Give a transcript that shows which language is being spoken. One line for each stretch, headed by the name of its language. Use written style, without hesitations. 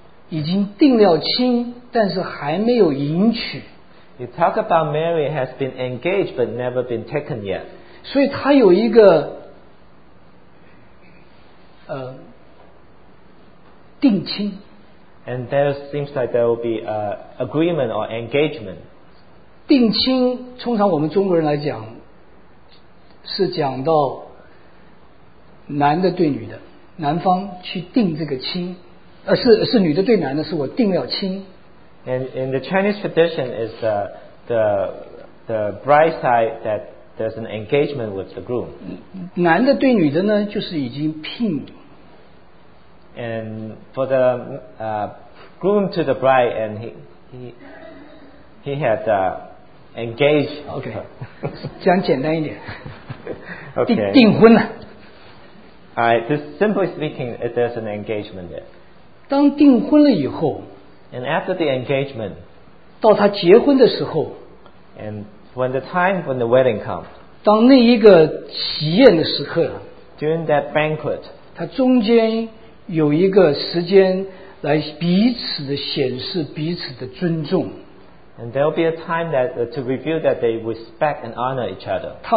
Chinese: 他就讲到玛利亚已经定了亲, 但是还没有迎娶。
English: You talk about Mary has been engaged but never been taken yet.
Chinese: 所以他有一个 定亲,
English: and there seems like there will be an agreement or engagement.
Chinese: 定亲通常我们中国人来讲是讲到男的对女的，男方去定这个亲，是女的对男的，是我定了亲。
English: And in the Chinese tradition, is the bride side that there's an engagement with the groom.
Chinese: 男的对女的呢，就是已经聘。
English: And for the groom to the bride, and he had engaged.
Chinese: Okay. 讲简单一点.
English: Okay.
Chinese: 订婚了.
English: Alright. Just simply speaking, there's an engagement there.
Chinese: 当订婚了以后.
English: And after the engagement.
Chinese: 到他结婚的时候.
English: And when the time when the wedding comes.
Chinese: 当那一个喜宴的时刻.
English: During that banquet.
Chinese: 他中间 有一个时间来彼此的显示彼此的尊重。
English: And there will be a time that to reveal that they respect and honor each other.